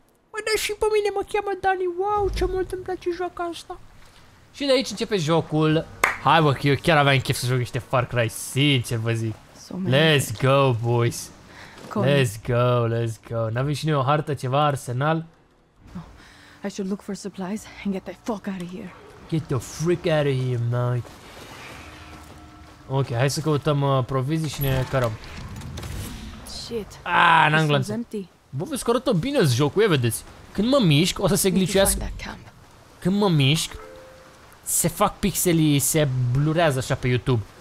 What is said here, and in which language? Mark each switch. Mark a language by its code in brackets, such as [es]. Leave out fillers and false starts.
[ro] Mă, dar și pe mine mă cheamă Dani. Wow, ce mult îmi place joc asta. Și de aici începe jocul. Hai, bă, că eu chiar aveam chef să joc niște Far Cry, sincer vă zic. [en] Let's go, boys. Let's go, let's go. [ro] N-avem și noi o hartă, ceva, arsenal? [en] No. I should look for supplies and get the fuck out of here. Get the freak out of here, man. [ro] Ok, hai să căutăm provizii și ne cărăm. [en] Shit. [ro] Ah, în angloanță. Bă, vezi că arată bine jocul, ia vedeți. Când mă mișc, o să se glicioască. Când mă mișc, se fac pixelii, se blurează așa pe YouTube.